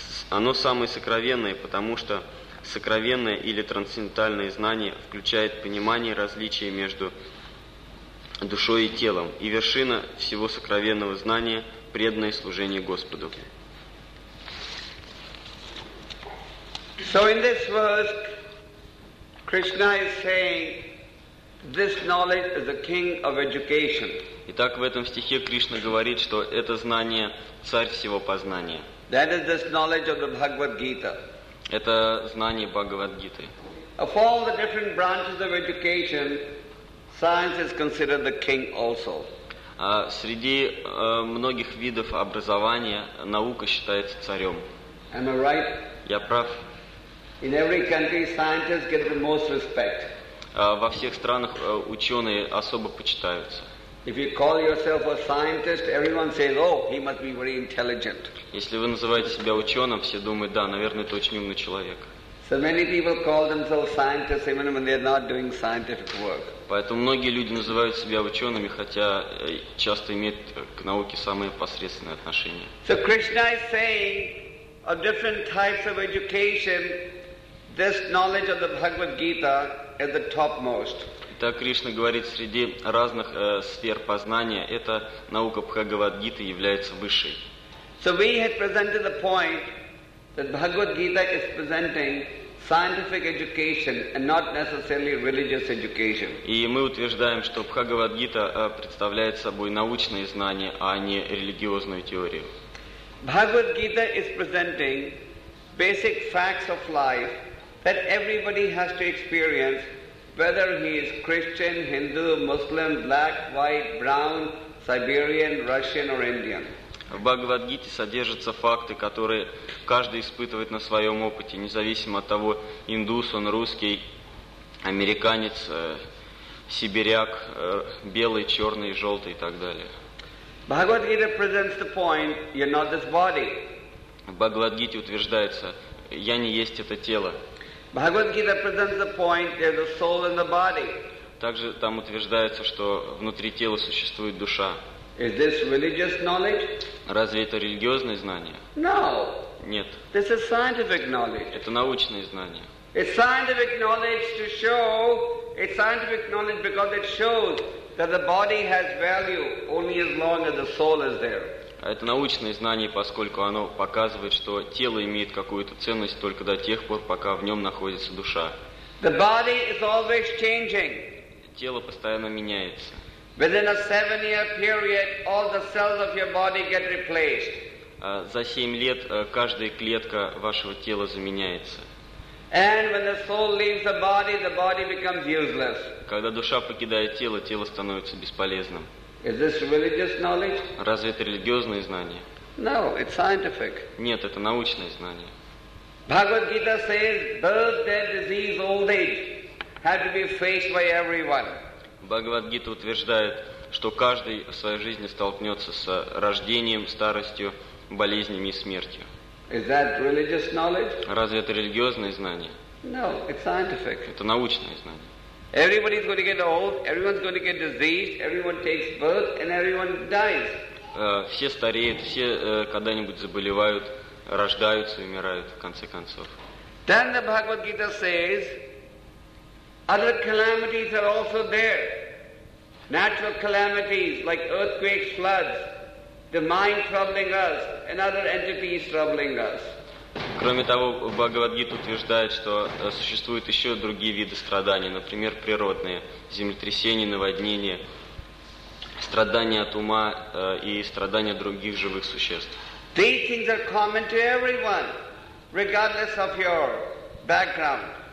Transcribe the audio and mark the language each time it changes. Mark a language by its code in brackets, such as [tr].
[ru] Оно самое сокровенное, потому что сокровенное или трансцендентальное знание включает понимание различия между душой и телом, и вершина всего сокровенного знания – преданное служение Господу. [en] So in this verse, Krishna is saying, "This knowledge is the king of education." [ru] Итак, в этом стихе Кришна говорит, что это знание царь всего познания. [en] That is this knowledge of the Bhagavad Gita. [ru] Это знание Бхагавад Гиты. [en] Of all the different branches of education, science is considered the king also. [ru] Среди многих видов образования наука считается царем. [en] Am I right? [ru] Я прав. [en] In every country, scientists get the most respect. [ru] Во всех странах ученые особо почитаются. [en] If you call yourself a scientist, everyone says, "Oh, he must be very intelligent." [ru] Если вы называете себя ученым, все думают, да, наверное, это очень умный человек. [en] So many people call themselves scientists even when they're not doing scientific work. [ru] Поэтому многие люди называют себя учеными, хотя часто имеют к науке самые посредственные отношения. [en] So Krishna is saying of different types of education, this knowledge of the Bhagavad Gita is the topmost. [ru] так Кришна говорит, среди разных сфер познания, эта наука Бхагавад-гиты является высшей. [en] So we had presented the point that Bhagavad-gita is presenting scientific education and not necessarily religious education. [ru] И мы утверждаем, что Бхагавад-гита представляет собой научные знания, а не религиозную теорию. [en] Bhagavad-gita is presenting basic facts of life that everybody has to experience, whether he is Christian, Hindu, Muslim, black, white, brown, Siberian, Russian or Indian. [ru] В Бхагавад-гите содержатся факты, которые каждый испытывает на своем опыте, независимо от того, индус он, русский, американец, сибиряк, белый, черный, желтый и так далее. [en] Bhagavad-gita presents the point, you're not this body. [ru] В Бхагавад-гите утверждается, я не есть это тело. [en] Bhagavad-gita presents the point, there's a soul in the body. [ru] Также там утверждается, что внутри тела существует душа. [en] Is this religious knowledge? [ru] Разве это религиозное знание? [en] No. [ru] Нет. [en] This is scientific knowledge. [ru] Это научное знание. [en] It's scientific knowledge to show. It's scientific knowledge because it shows that the body has value only as long as the soul is there. [ru] Это научное знание, поскольку оно показывает, что тело имеет какую-то ценность только до тех пор, пока в нем находится душа. [en] The body is always changing. [ru] Тело постоянно меняется. [en] Within a 7-year period, all the cells of your body get replaced. [ru] За 7 лет каждая клетка вашего тела заменяется. [en] And when the soul leaves the body becomes useless. [ru] Когда душа покидает тело, тело становится бесполезным. [en] Is this religious knowledge? [ru] Разве это религиозное знание? [en] No, it's scientific. [ru] Нет, это научное знание. [en] Bhagavad Gita says, birth, death, disease, old age have to be faced by everyone. [ru] Бхагавад-гита утверждает, что каждый в своей жизни столкнется с рождением, старостью, болезнями и смертью. [en] Is that religious knowledge? [ru] Разве это религиозное знание? [en] No, it's scientific. [ru] Это научное знание. [en] Everybody's going to get old, everyone's going to get diseased, everyone takes birth and everyone dies. [ru] Все стареют, все когда-нибудь заболевают, рождаются и умирают в конце концов. [en] Then the Bhagavad-gita says, other calamities are also there. Natural calamities like earthquakes, floods, the mind troubling us, and other entities troubling us. [ru] Кроме того, Бхагавад-гита утверждает, что существуют еще другие виды страданий, например, природные, землетрясения, наводнения, страдания от ума и страдания других живых существ. [en] These things are common to everyone, regardless of your background.